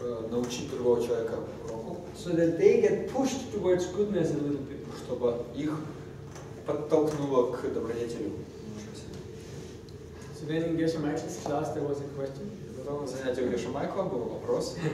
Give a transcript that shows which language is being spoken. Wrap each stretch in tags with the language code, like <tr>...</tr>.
<ru>Научить другого человека уроку.</ru> <en>So that they get pushed towards goodness a little bit.</en> <ru>Чтобы их подтолкнуло к добродетелю.</ru> <en>So then in Geshe Michael's class there was a question.</en> <ru>Потом на занятии у Геша Майкла был вопрос.</ru>